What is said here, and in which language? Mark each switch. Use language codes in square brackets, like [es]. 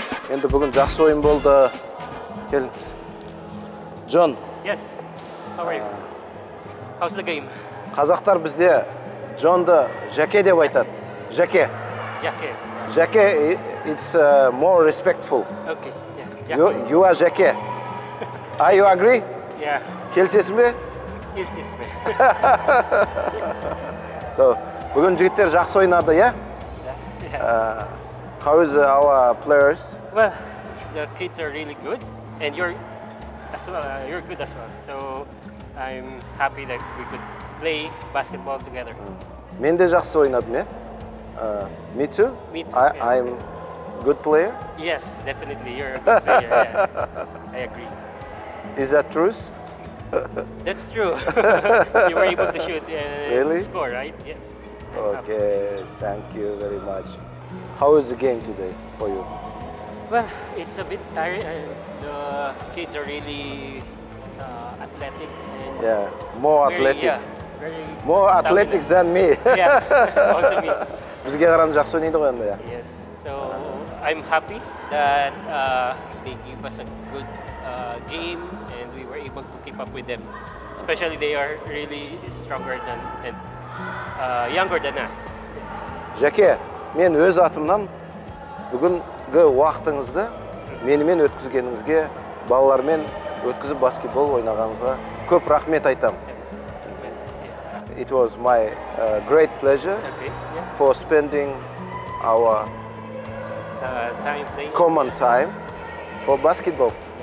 [kk] Енді бүгін жақсы ойын болды. Келіңіз. Джон. [en] Yes. How are you? How's the game? [kk] Қазақтар бізде Джонды жәке деп айтады. Жәке. [en] Jacke. Jacke, it's more respectful. Okay, yeah. Jacke. You are Jacke. Are you agree? Yeah. [kk] Келісесің бе? Келісесің бе? So, бүгін жігіттер жақсы ойнады, иә? [en] Yeah. How is our players? Well, the kids are really good and you're good as well. So, I'm happy that we could play basketball together. [kk] Мен де жақсы ойнадым, иә? [en] Me too? Me too. Yeah. I'm good player? Yes, definitely. You're a good player. Yeah. I agree. Is that true? That's true. You were able to shoot really? And score, right? Yes. Okay, thank you very much. How is the game today for you? Well, it's a bit tiring. The kids are really athletic. And yeah, more very, athletic. Yeah, very more stamina. Athletic than me. Yeah, also me. Yes, so I'm happy that they give us a good game and we were able to keep up with them. Especially they are really stronger than and younger than us. [kk] Жәке, мен өз атымнан бүгінгі уақытыңызды менімен өткізгеніңізге, балалармен өткізіп баскетбол ойнағаныңызға көп рахмет айтам. [en] It was my great pleasure for spending our common time for basketball.